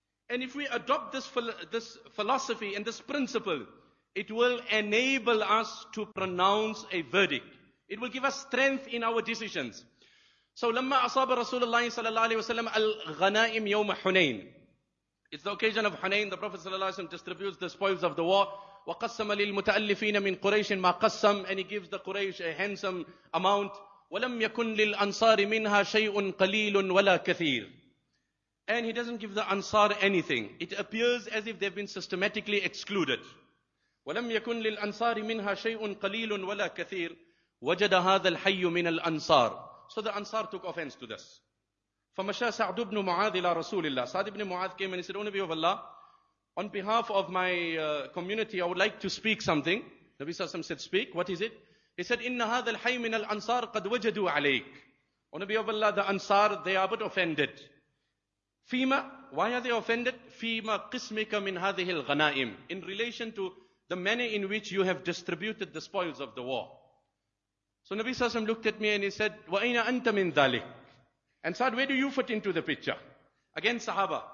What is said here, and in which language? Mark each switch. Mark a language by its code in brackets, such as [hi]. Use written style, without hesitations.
[en] And if we adopt this philosophy and this principle, it will enable us to pronounce a verdict. It will give us strength in our decisions. [ar] So, لما أصاب رسول الله صلى الله عليه وسلم الغنائم يوم حنين. [en] It's the occasion of Hunayn. The Prophet صلى الله عليه وسلم distributes the spoils of the war. [ar] وقسم للمتألفين من قريش ما قسم. [en] And he gives the Quraysh a handsome amount. [ar] ولم يكن للأنصار منها شيء قليل ولا كثير. [en] And he doesn't give the Ansar anything. It appears as if they've been systematically excluded. [ar] وَلَمْ يَكُنْ لِلْأَنْصَارِ مِنْهَا شَيْءٌ قَلِيلٌ وَلَا كَثِيرٌ وَجَدَ هَذَا الْحَيُّ مِنَ الْأَنْصَارِ. [en] So the Ansar took offense to this. [ar] فَمَشَى سَعْدُ بْنُ مُعَاذْ إِلَى رَسُولِ اللَّهِ. [en] Sa'd ibn Mu'adh came and he said, O Nabi of Allah, on behalf of my community, I would like to speak something. Nabi Sassam said, speak. What is it? He said, [ar] إِنَّ هَذَا الْحَيُّ مِنَ الْأَنْصَارِ قَدْ وَجَدُوا عَلَيْكَ. [en] O Nabi of Allah, the Ansar, they are but offended. فِيمَا, why are they offended? [ar] فِيمَا قِسْمِكَ مِنْ هَذِهِ الْغَنَائِمِ. [en] In relation to the manner in which you have distributed the spoils of the war. So Nabi Sassam looked at me and he said, [ar] وَأَيْنَ أَنْتَ مِنْ ذَلِكَ. [en] And Sa'd, where do you fit into the picture? Again, Sahaba.